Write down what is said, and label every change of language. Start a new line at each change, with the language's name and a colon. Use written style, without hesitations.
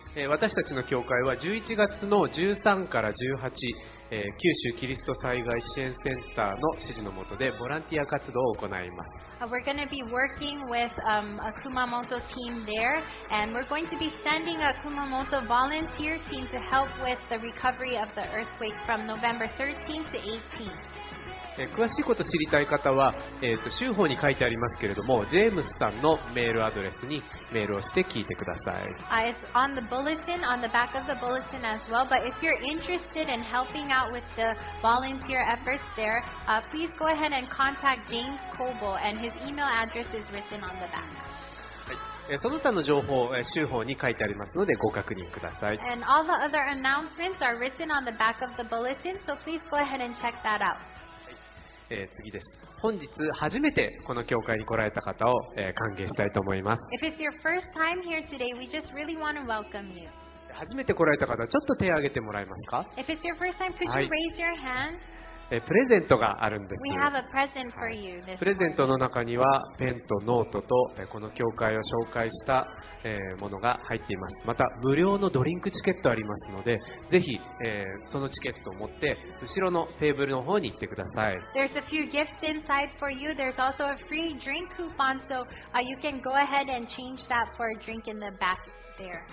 Japanese: 私たちの教会は11月の13から18、九州キリスト災害支援センターの指示の下でボランティア活動を行います。
English: We're going to be working with a Kumamoto team there, and we're going to be sending a Kumamoto volunteer team to help with the recovery of the earthquake from November 13th to 18th.
Japanese: 詳しいことを知りたい方は、州法に書いてありますけれども、ジェームスさんのメールアドレスにメールをして聞いてください。
English: It's on the bulletin, on the back of the bulletin as well, but if you're interested in helping out with the volunteer efforts there, please go ahead and contact James Coble, and his email address is written on the back.
Japanese: その他の情報、州法に書いてありますのでご確認ください。
English: And all the other announcements are written on the back of the bulletin, so please go ahead and check that out.
Japanese: 次です。本日初めてこの教会に来られた方を、歓迎したいと思います。
English: If it's your first time here today, we just really want to welcome you.
Japanese: 初めて来られた方、ちょっと手を挙げてもらえますか？
English: If it's your first time, could you raise your hand?
Japanese: プレゼントがあるんです。
English: We have a present for you this
Japanese: time. プレゼントの中にはペンとノートと、この教会を紹介した、ものが入っています。また無料のドリンクチケットありますので、ぜひ、そのチケットを持って後ろのテーブルの方に行ってください。
English: There's a few gifts inside for you. There's also a free drink coupon, so you can go ahead and change that for a drink in the back there.